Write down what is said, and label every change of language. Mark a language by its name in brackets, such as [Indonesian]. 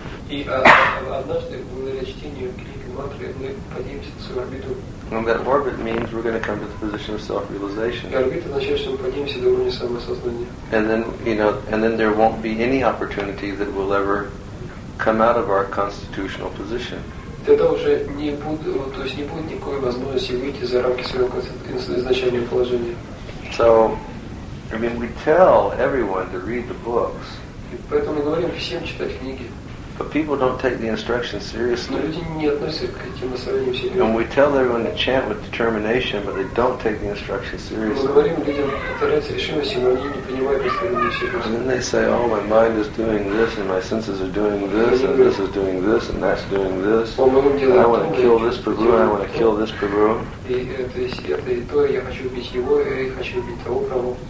[English] And that orbit means we're going to come to the position of self-realization. And then there won't be any opportunity that will ever come out of our constitutional position. [Russian] Тогда уже не будет, то есть не будет никакой возможности выйти за рамки своего изначального положения. [English] So, I mean, we tell everyone to read the books. [Russian] И поэтому мы говорим всем читать книги. [English] But people don't take the instructions seriously. [Russian] Но люди не относятся к этим наставлениям серьезно. [English] And we tell everyone to chant with determination, but they don't take the instructions seriously. [Russian] Мы говорим людям стараться решимости, но они не понимают наставления серьезно. [English] And then they say, "Oh, my mind is doing this, and my senses are doing this, and this is doing this, and that's doing this. I want to kill this Prabhu. I want to kill this Prabhu." [Russian] И то есть это я хочу убить его, я хочу убить того Прабху.